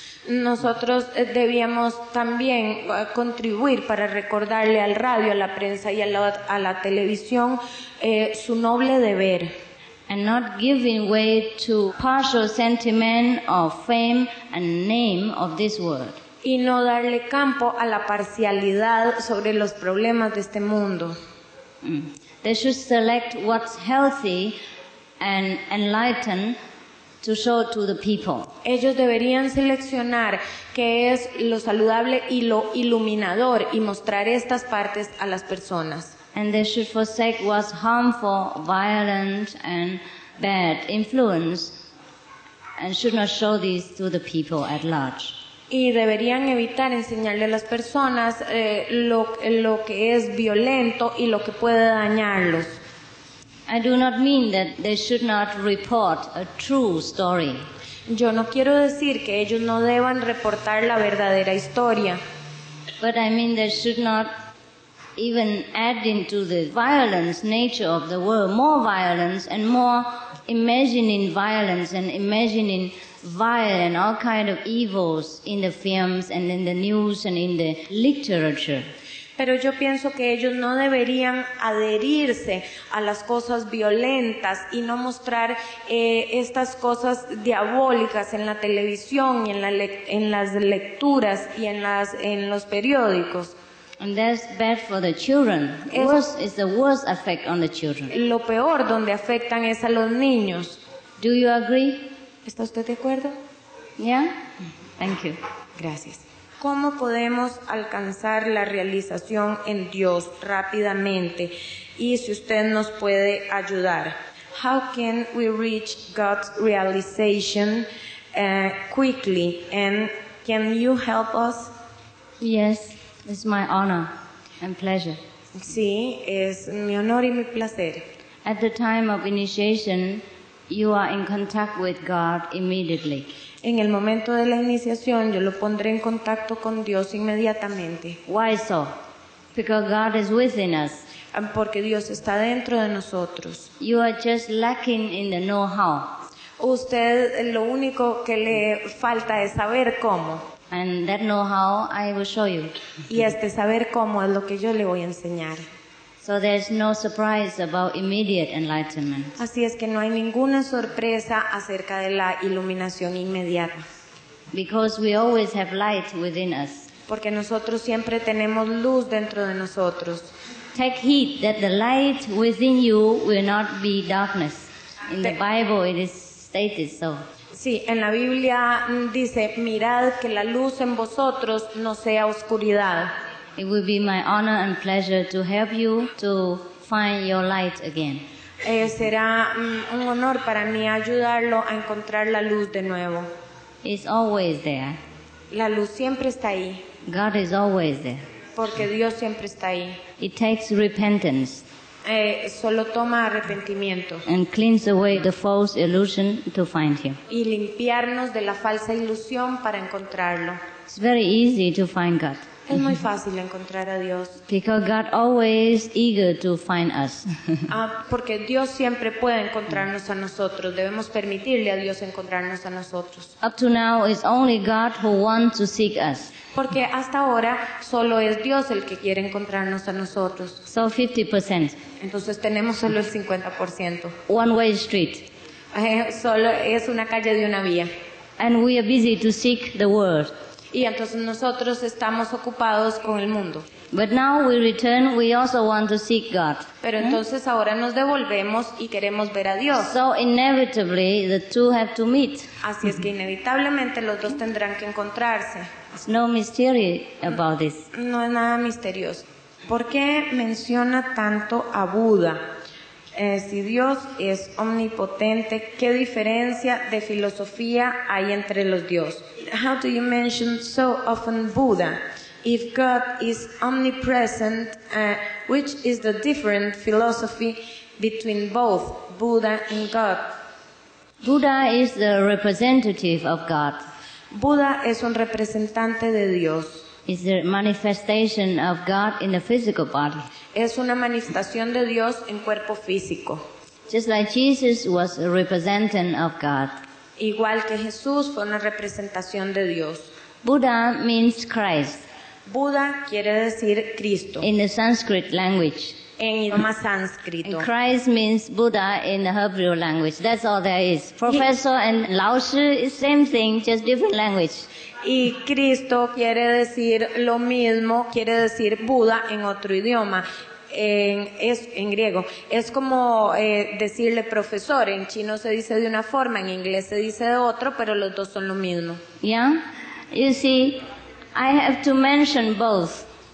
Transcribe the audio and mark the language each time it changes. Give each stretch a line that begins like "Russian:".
Spanish: Nosotros debíamos también contribuir para recordarle al radio, a la prensa y a la televisión su noble deber.
English: And not giving way to partial sentiment of fame and name of this world.
Spanish: Y no darle campo a la parcialidad sobre los problemas de este mundo.
English: They should select what's healthy and enlightened to show to the people.
Spanish: Ellos deberían seleccionar qué es lo saludable y lo iluminador y mostrar estas partes a las personas.
English: And they should forsake what's harmful, violent, and bad influence, and should not show these to the people at large.
Spanish: Y deberían evitar enseñarle a las personas lo que es violento y lo que puede dañarlos.
English: I do not mean that they should not report a true story.
Spanish: Yo no quiero decir que ellos no deban reportar la verdadera historia.
English: But I mean they should not even add into the violence nature of the world more violence and more imagining violence and imagining vile and all kind of evils in the films and in the news and in the literature.
Spanish: Pero yo pienso que ellos no deberían adherirse a las cosas violentas y no mostrar estas cosas diabólicas en la televisión y en las lecturas y en los periódicos.
English: And that's bad for the children. It's the worst effect on the children.
Spanish: Lo peor donde afectan es a los niños.
English: Do you agree?
Spanish: ¿Está usted de acuerdo?
English: Yeah. Thank you.
Spanish: Gracias. ¿Cómo podemos alcanzar la realización en Dios rápidamente? Y si usted nos puede ayudar.
English: How can we reach God's realization quickly? And can you help us? Yes, it's my honor and pleasure.
Spanish: Sí, es mi honor y mi placer.
English: At the time of initiation, you are in contact with God immediately.
Spanish: En el momento de la iniciación, yo lo pondré en contacto con Dios inmediatamente.
English: Why so? Because God is within us.
Spanish: Porque Dios está dentro de nosotros.
English: You are just lacking in the know-how.
Spanish: Usted, lo único que le falta es saber cómo.
English: And that know-how I will show you.
Spanish: Y este saber cómo es lo que yo le voy a enseñar.
English: So there's no surprise about immediate enlightenment.
Spanish: Así es que no hay ninguna sorpresa acerca de la iluminación inmediata.
English: Because we always have light within us.
Spanish: Porque nosotros siempre tenemos luz dentro de nosotros.
English: Take heed that the light within you will not be darkness. In the Bible it is stated so.
Spanish: Sí, en la Biblia dice, mirad que la luz en vosotros no sea oscuridad.
English: It will be my honor and pleasure to help you to find your light again.
Spanish: Será un honor para mí ayudarlo a encontrar la luz de nuevo.
English: It's always there.
Spanish: La luz siempre está ahí.
English: God is always there.
Spanish: Porque Dios siempre está ahí.
English: It takes repentance.
Spanish: Solo toma arrepentimiento.
English: And cleans away the false illusion to find him.
Spanish: Y limpiarnos de la falsa ilusión para encontrarlo.
English: It's very easy to find God.
Spanish: Es muy fácil encontrar a Dios.
English: Because God always eager to find us.
Spanish: Porque Dios siempre puede encontrarnos a nosotros. Debemos permitirle a Dios encontrarnos a nosotros.
English: Up to now, it's only God who wants to seek us.
Spanish: Porque hasta ahora solo es Dios el que quiere encontrarnos a nosotros.
English: So 50%.
Spanish: Entonces tenemos solo el 50%.
English: One way street.
Spanish: Solo es una calle de una vía.
English: And we are busy to seek the world.
Spanish: Y entonces nosotros estamos ocupados con el mundo.
English: But now we return, we also want to seek God.
Spanish: Pero entonces ahora nos devolvemos y queremos ver a Dios.
English: So inevitably the two have to meet.
Spanish: Así es que inevitablemente los dos tendrán que encontrarse.
English: There's no mystery about this.
Spanish: No es nada misterioso. ¿Por qué menciona tanto a Buda? Si Dios es omnipotente, ¿qué diferencia de filosofía hay entre los dioses?
English: How do you mention so often Buddha? If God is omnipresent, which is the different philosophy between both Buddha and God? Buddha is the representative of God.
Spanish: Buddha es un representante de Dios.
English: Is the manifestation of God in the physical body.
Spanish: Es una manifestación de Dios en cuerpo físico.
English: Just like Jesus was a representative of God.
Spanish: Igual que Jesús fue una representación de Dios.
English: Buddha means Christ.
Spanish: Buddha quiere decir Cristo.
English: In the Sanskrit language.
Spanish: En idioma sánscrito.
English: And Christ means Buddha in the Hebrew language. That's all there is. Professor and Lao Shi is same thing, just different language.
Spanish: Y Cristo quiere decir lo mismo, quiere decir Buda en otro idioma, en griego. Es como decirle profesor, en chino se dice de una forma, en inglés se dice de otro, pero los dos son lo mismo.
English: Yeah, you see, I have to mention both.